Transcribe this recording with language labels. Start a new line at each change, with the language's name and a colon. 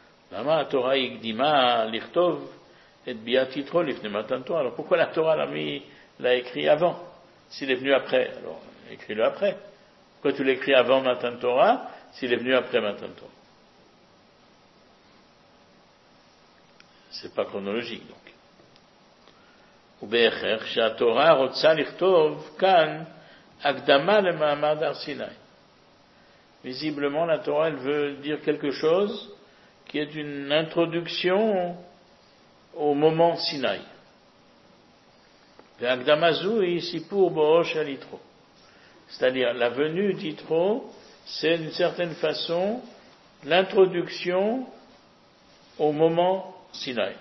Hebrew: Lama Torah Yigdima Lichtov et Biat Yitro Lifne Matan Torah.
French: Alors pourquoi la Torah l'a écrit avant? S'il est venu après, alors écris-le après. Pourquoi tu l'écris avant Matan Torah s'il est venu après Matan Torah? C'est pas chronologique donc.
Hebrew: ובהכרח שהתורה רוצה לכתוב כאן הקדמה למעמד הר סיני.
French: Visiblement, la Torah, elle veut dire quelque chose qui est une introduction au moment Sinaï.
Hebrew: Ve'akdamazu isipur bo'osh el Yitro.
French: C'est-à-dire, la venue d'Yitro, c'est d'une certaine façon l'introduction au moment Sinaï.